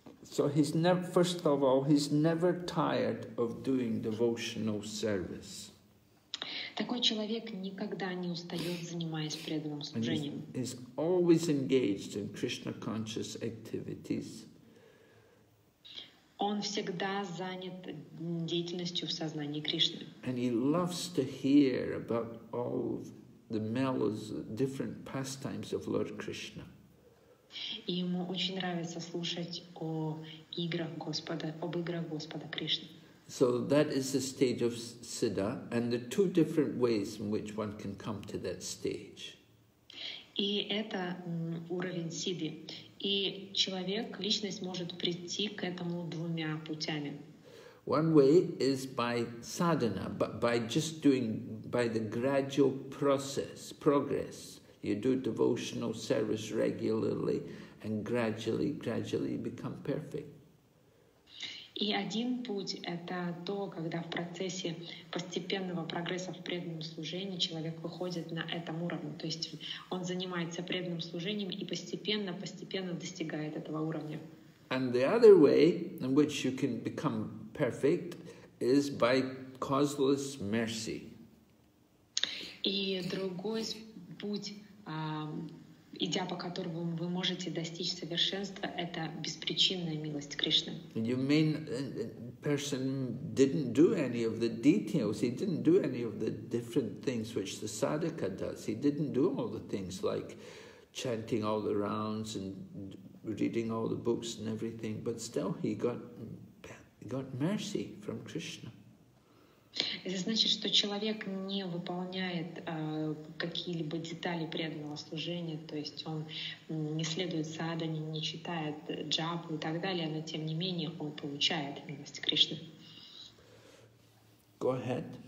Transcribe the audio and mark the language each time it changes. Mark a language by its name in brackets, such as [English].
[English] So he's never, first of all, he's never tired of doing devotional service. [Russian] Такой человек никогда не устает, занимаясь преданным служением. [English] He's always engaged in Krishna conscious activities. [Russian] Он всегда занят деятельностью в сознании Кришны. [English] And he loves to hear about all the melodies, different pastimes of Lord Krishna. [Russian] И ему очень нравится слушать о играх Господа, об играх Господа Кришны. [English] So that is the stage of siddha, and the two different ways in which one can come to that stage. [Russian] И это уровень сиды. И человек, личность может прийти к этому двумя путями. [English] One way is by sadhana, by just doing, by the gradual progress. You do devotional service regularly, and gradually become perfect. [Russian] И один путь это то, когда в процессе постепенного прогресса в преданном служении человек выходит на этом уровне, то есть он занимается преданным служением и постепенно достигает этого уровня. [English] And the other way in which you can become perfect is by causeless mercy. [Russian] И другой путь. Идя по которому вы можете достичь совершенства, это беспричинная милость Кришны. [English] You mean person didn't do any of the details, he didn't do any of the different things which the sadhaka does. He didn't do all the things like chanting all the rounds and reading all the books and everything, but still he got mercy from Krishna. [Russian] Это значит, что человек не выполняет какие-либо детали преданного служения, то есть он не следует садхане, не читает джапу и так далее, но тем не менее он получает милость Кришны. [English] Go ahead.